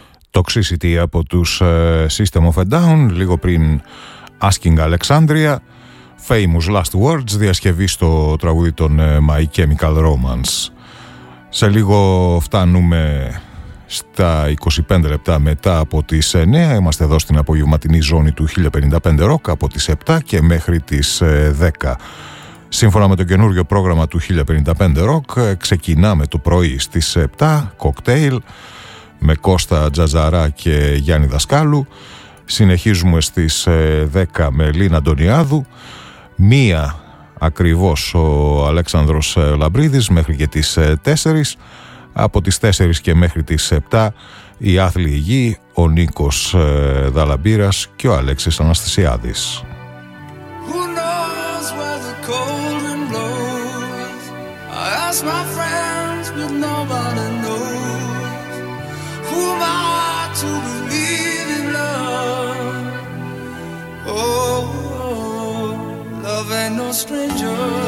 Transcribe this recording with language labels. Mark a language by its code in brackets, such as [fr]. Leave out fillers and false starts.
[el] Toxicity από τους System of a Down, λίγο πριν Asking Alexandria, Famous Last Words, διασκευή στο τραγούδι των My Chemical Romance. Σε λίγο φτάνουμε στα 25 λεπτά μετά από τις 9, είμαστε εδώ στην απογευματινή ζώνη του 1055 Rock από τις 7 και μέχρι τις 10. Σύμφωνα με το καινούριο πρόγραμμα του 1055 Rock, ξεκινάμε το πρωί στις 7, Cocktail, με Κώστα Τζαζαρά και Γιάννη Δασκάλου. Συνεχίζουμε στις 10 με Λίνα Αντωνιάδου. Μία ακριβώς ο Αλέξανδρος Λαμπρίδης μέχρι και τις 4. Από τις 4 και μέχρι τις 7 η Άθλη Γη, ο Νίκος Δαλαμπύρας και ο Αλέξης Αναστασιάδης. [en] Who knows where the cold wind blows? I ask my friends but nobody knows. Who am I to believe in love? Oh, love ain't no stranger.